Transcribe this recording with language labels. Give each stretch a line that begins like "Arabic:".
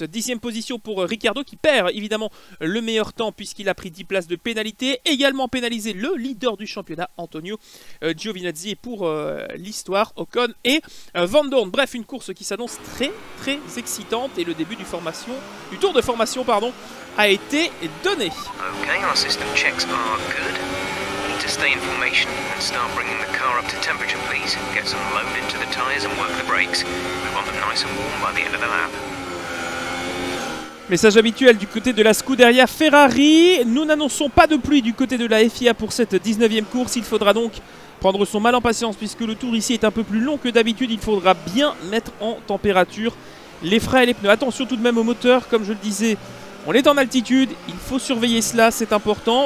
French: 10e position pour Ricciardo qui perd évidemment le meilleur temps puisqu'il a pris 10 places de pénalité. Également pénalisé le leader du championnat, Antonio Giovinazzi, et pour l'histoire, Ocon et Van Dorn. Bref, une course qui s'annonce très très excitante et le début du tour de formation pardon, a été donné.
English: Ok, our system checks are good. To stay in formation and start bringing the car up to temperature, please. Get some load into the tires and work the brakes. We want them nice and warm by the end of the lap.
French: Message habituel du côté de la Scuderia Ferrari. Nous n'annonçons pas de pluie du côté de la FIA pour cette 19e course. Il faudra donc prendre son mal en patience puisque le tour ici est un peu plus long que d'habitude. Il faudra bien mettre en température les freins et les pneus. Attention tout de même au moteur, comme je le disais. On est en altitude, il faut surveiller cela, c'est important.